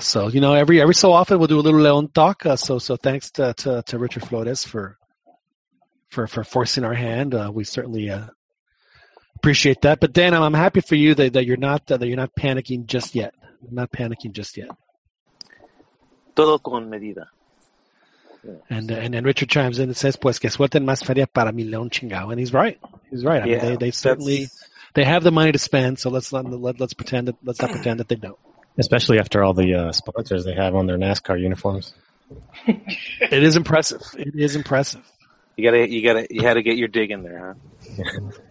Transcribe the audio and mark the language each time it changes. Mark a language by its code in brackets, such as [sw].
[en] So, you know, every so often we'll do a little León talk. So thanks to Richard Flores for forcing our hand. We certainly appreciate that. But Dan, I'm happy for you that you're not panicking just yet. I'm not panicking just yet. [es] Todo con medida. [en] Yeah. And Richard chimes in and says, [es] pues que suelten más feria para mi León chingao. [en] And he's right. He's right. I mean, they certainly have the money to spend, so let's not pretend that they don't. Especially after all the sponsors they have on their NASCAR uniforms. It is impressive. It is impressive. You had to get your dig in there, huh?